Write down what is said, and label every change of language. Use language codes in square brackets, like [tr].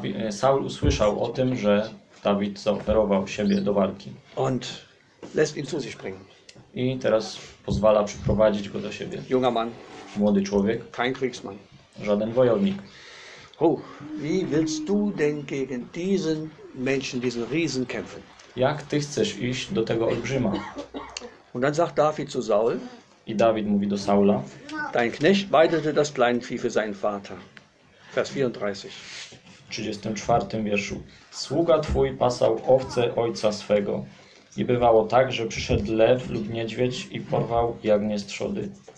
[pl] Saul usłyszał o tym, że Dawid zaoferował siebie do walki. [de] Und lässt ihn zu sich bringen. [pl] I teraz pozwala przyprowadzić go do siebie. [de] Junger Mann. [pl] Młody człowiek. [de] Kein Kriegsmann. [pl] Żaden wojownik. [de] Wie willst du denn gegen diesen Menschen, diesen Riesen kämpfen? [pl] Jak ty chcesz iść do tego olbrzyma? [de] Und dann sagt David zu Saul. [pl] I Dawid mówi do Saula. [de] Dein Knecht weidete das Kleinvieh für seinen Vater. Vers 34. [pl] 34. wierszu. Sługa twój pasał owce ojca swego. I bywało tak, że przyszedł lew lub niedźwiedź i porwał jagnię z trzody.